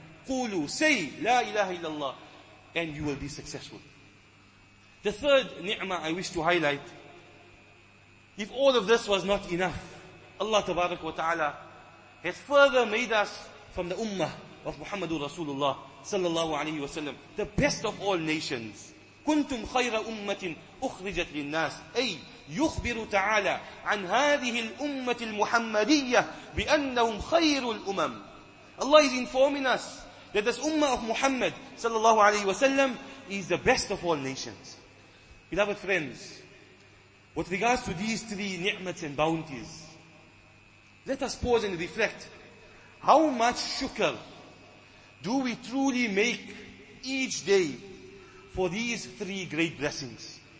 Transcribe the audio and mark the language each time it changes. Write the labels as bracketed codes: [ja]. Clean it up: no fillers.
[ar] قُولُوا, [en] say, [ar] لَا إِلَهَ إِلَّا اللَّهُ, [en] and you will be successful. The third ni'mah I wish to highlight, if all of this was not enough, Allah tabarak wa ta'ala has further made us from the ummah of Muhammadur Rasulullah sallallahu alayhi wa sallam, the best of all nations. [ar] كنتم خير أمة أخرجت للناس أي يخبر تعالى عن هذه الأمة المحمدية بأنهم خير الأمم. [en] Allah is informing us that this ummah of Muhammad sallallahu alayhi wa sallam is the best of all nations. Beloved friends, with regards to these three ni'mats and bounties, let us pause and reflect. How much shukr do we truly make each day for these three great blessings?